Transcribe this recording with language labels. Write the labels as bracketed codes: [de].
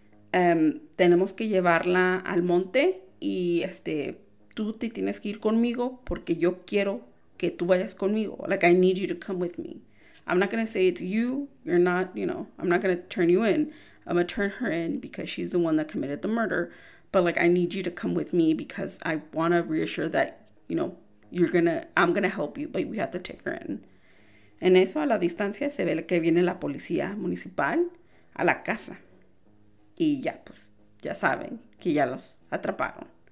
[es] Tenemos que llevarla al monte y tú te tienes que ir conmigo porque yo quiero que tú vayas conmigo. [en] Like, I need you to come with me. I'm not going to say it's you. You're not, you know, I'm not going to turn you in. I'm going to turn her in because she's the one that committed the murder. But, like, I need you to come with me because I want to reassure that, you know, I'm going to help you, but we have to take her in. [es] En eso, a la distancia, se ve que viene la policía municipal a la casa. Y ya, pues, ya saben que ya los atraparon.